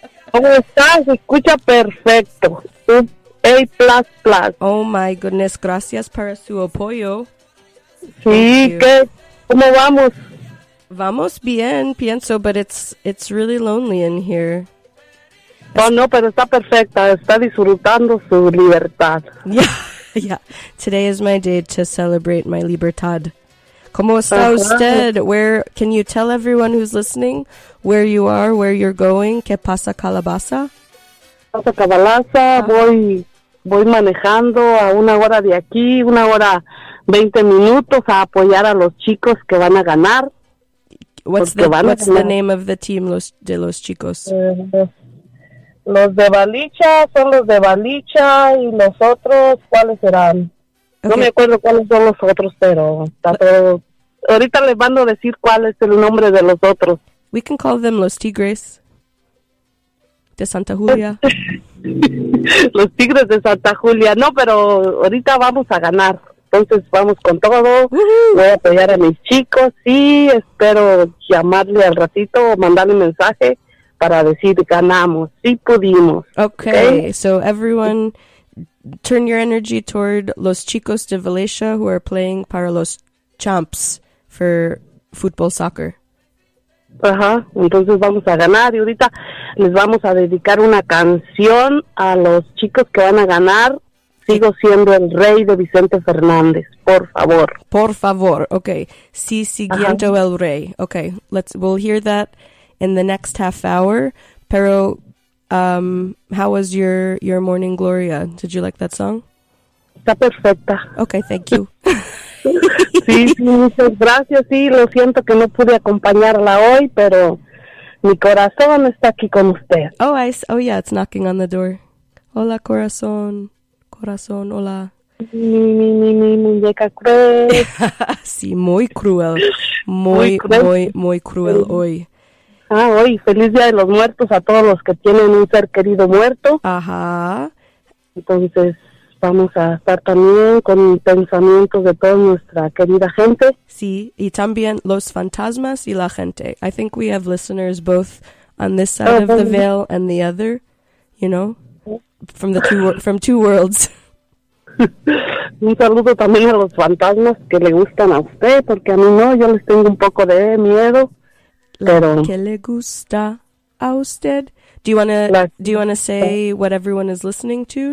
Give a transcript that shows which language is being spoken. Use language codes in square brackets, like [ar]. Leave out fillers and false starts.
[es] ¿Cómo estás? Se escucha perfecto. A++. [en] Oh, my goodness. [es] Gracias para su apoyo. Sí, ¿qué? ¿Cómo vamos? Vamos bien, pienso, [en] but it's really lonely in here. [es] No, pero está perfecta, está disfrutando su libertad. [en] Yeah. Today is my day to celebrate my libertad. [es] ¿Cómo está usted? [en] Where can you tell everyone who's listening where you are, where you're going? [es] ¿Qué pasa, calabaza? Pasa calabaza, voy manejando a una hora de aquí, una hora 20 minutos a apoyar a los chicos que van a ganar. [en] What's the name of the team, [es] los chicos? Los de Balicha son los de Balicha y los otros, ¿cuáles serán? Okay. No me acuerdo cuáles son los otros, pero ahorita les mando a decir cuál es el nombre de los otros. [en] We can call them Los Tigres de Santa Julia. [es] Los Tigres de Santa Julia. No, pero ahorita vamos a ganar. Entonces vamos con todo. Voy a apoyar a mis chicos y espero llamarle al ratito o mandarle un mensaje. Para decir ganamos, sí pudimos. [en] Okay, so everyone, turn your energy toward [es] los chicos [en] de Valencia who are playing [es] para los [en] champs for football soccer. [es] Ajá, entonces vamos a ganar y ahorita les vamos a dedicar una canción a los chicos que van a ganar. Sigo siendo el rey de Vicente Fernández, por favor. Por favor, okay. Sí, siguiendo el rey. [en] Okay, we'll hear that. In the next half hour, pero, how was your morning, Gloria? Did you like that song? [es] Está perfecta. [en] Okay, thank you. [es] Sí, muchas gracias. Sí, lo siento que no pude acompañarla hoy, pero mi corazón está aquí con usted. [en] Oh yeah, it's knocking on the door. [es] Hola, corazón. Corazón, hola. Mi muñeca cruel. Sí, muy cruel. Muy, muy, cruel. Muy cruel hoy. Ah, hoy, feliz Día de los Muertos a todos los que tienen un ser querido muerto. Ajá. Entonces, vamos a estar también con pensamientos de toda nuestra querida gente. Sí, y también los fantasmas y la gente. [en] I think we have listeners both on this side of the veil and the other, you know, from two worlds. [es] Un saludo también a los fantasmas que le gustan a usted, porque a mí no, yo les tengo un poco de miedo. ¿Qué le gusta a usted? [en] Do you wanna say what everyone is listening to?